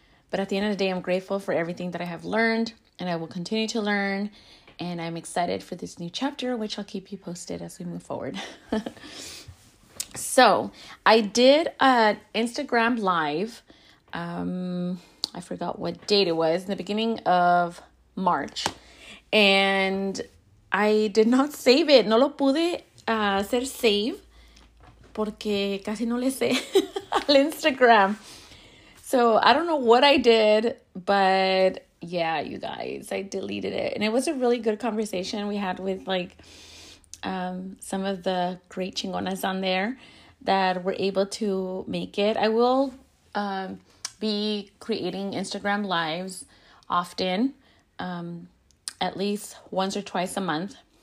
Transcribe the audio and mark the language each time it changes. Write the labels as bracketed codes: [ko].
[en] But at the end of the day, I'm grateful for everything that I have learned, and I will continue to learn, and I'm excited for this new chapter, which I'll keep you posted as we move forward. So I did an Instagram live. I forgot what date it was, in the beginning of March, and I did not save it. [es] No lo pude hacer save porque casi no le sé al Instagram. [en] So I don't know what I did, but yeah, you guys, I deleted it. And it was a really good conversation we had with some of the great chingonas on there that were able to make it. I will be creating Instagram lives often, at least once or twice a month.